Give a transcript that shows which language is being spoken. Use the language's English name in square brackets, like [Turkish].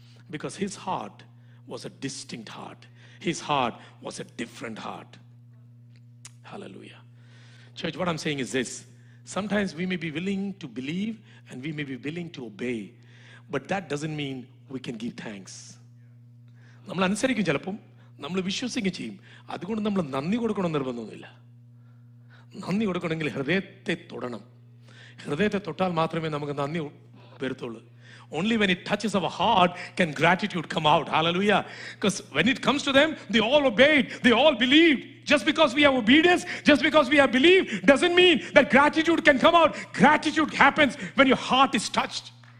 [English] Because his heart was a distinct heart. His heart was a different heart. Hallelujah. Church, what I'm saying is this. Sometimes we may be willing to believe and we may be willing to obey, but that doesn't mean we can give thanks. [Malayalam] നമ്മൾ അനുസരിക്കും ചിലപ്പം നമ്മൾ വിശ്വസിക്കുകയും ചെയ്യും. അതുകൊണ്ട് നമ്മൾ നന്ദി കൊടുക്കണം നിർബന്ധമൊന്നുമില്ല. നന്ദി കൊടുക്കണമെങ്കിൽ ഹൃദയത്തെ തൊടണം. ഹൃദയത്തെ തൊട്ടാൽ മാത്രമേ നമുക്ക് നന്ദി വരുത്തുള്ളൂ. [English] Only when it touches our heart can gratitude come out. Hallelujah. Because when it comes to them, they all obeyed. They all believed. Just because we have obedience, just because we have belief, doesn't mean that gratitude can come out. Gratitude happens when your heart is touched.